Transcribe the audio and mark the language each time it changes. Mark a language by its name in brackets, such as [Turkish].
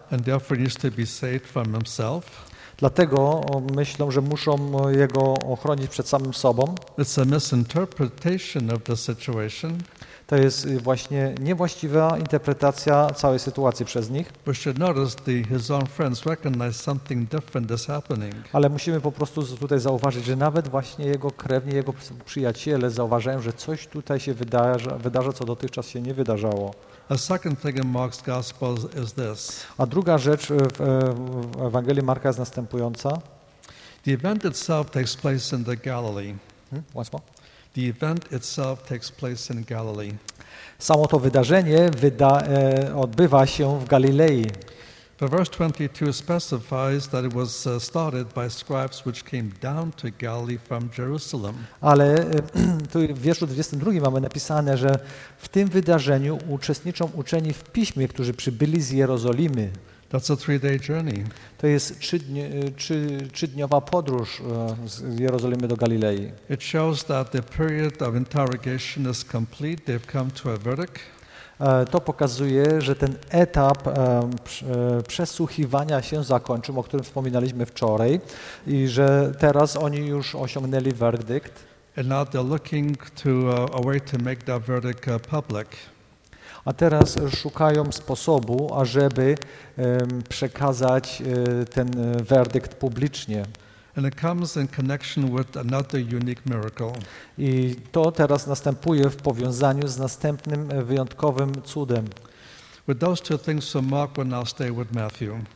[English] And therefore needs to be saved from himself. [Polish] Dlatego myślą, że muszą jego ochronić przed samym sobą. [English] It's a misinterpretation of the situation. [Polish] To jest właśnie niewłaściwa interpretacja całej sytuacji przez nich. [English] We should notice that his own friends recognize something different is happening. [Polish] Ale musimy po prostu tutaj zauważyć, że nawet właśnie jego krewni, jego przyjaciele zauważają, że coś tutaj się wydarza, co dotychczas się nie wydarzało. [English] A second thing in Mark's gospel is this. [Polish] A druga rzecz w Ewangelii Marka jest następująca. [English] The event itself takes place in the Galilee. Once more. The event itself takes place in Galilee. [Polish] Samo to wydarzenie odbywa się w Galilei. [English] But verse 22 specifies that it was started by scribes which came down to Galilee from Jerusalem. [Polish] Ale tu w wierszu 22 mamy napisane, że w tym wydarzeniu uczestniczą uczeni w piśmie, którzy przybyli z Jerozolimy. [English] That's a three-day journey. [Polish] To jest trzydniowa podróż z Jerozolimy do Galilei. [English] It shows that the period of interrogation is complete. They've come to a verdict. [Polish] To pokazuje, że ten etap przesłuchiwania się zakończył, o którym wspominaliśmy wczoraj, i że teraz oni już osiągnęli werdykt. [English] And now they're looking to a way to make that verdict public. [Polish] A teraz szukają sposobu, ażeby przekazać ten werdykt publicznie. [English] And it comes in connection with another unique miracle. [Polish] I to teraz następuje w powiązaniu z następnym wyjątkowym cudem. [English] But those two things for Mark will now stay with Matthew.